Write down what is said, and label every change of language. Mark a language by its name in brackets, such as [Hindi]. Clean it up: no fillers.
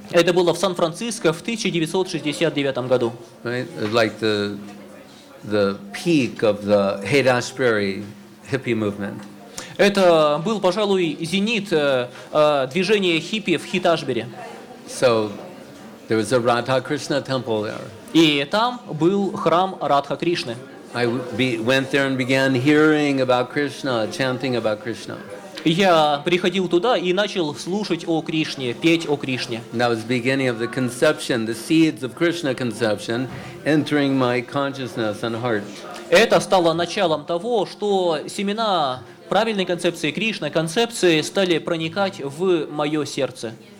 [Russian] Это было в Сан-Франциско в 1969 году. [English] Right, like the peak of the Haight-Ashbury hippie movement. [Russian] Это был, пожалуй, зенит движения хиппи в Хит-Ашбери. [English] So there was a Radha Krishna temple there. [Russian] И там был храм Радха Кришны. [English] I went there and began hearing about Krishna, chanting about Krishna. [Russian] Я приходил туда и начал слушать о Кришне, петь о Кришне. [English] That was the beginning of the conception, the seeds of Krishna conception, entering my consciousness and heart. [Russian] Это стало началом того, что семена правильной концепции Кришны, концепции стали проникать в мое сердце.